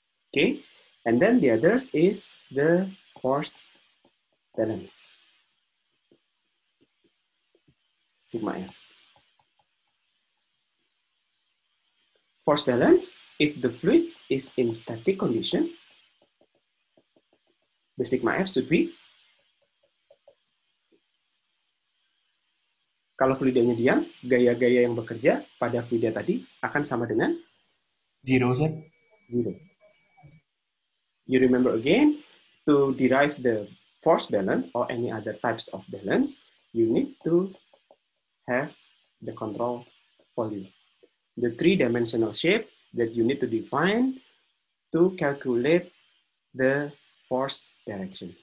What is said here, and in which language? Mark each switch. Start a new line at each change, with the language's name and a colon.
English: Okay, and then the others is the force balance, sigma F. Force balance, if the fluid is in static condition, the sigma F should be
Indonesian: Kalau fluidanya diam, gaya-gaya yang bekerja pada fluida tadi akan sama dengan?
English: Zero, sir. Zero. You remember again, to derive the force balance or any other types of balance, you need to have the control volume. The three-dimensional shape that you need to define to calculate the force direction.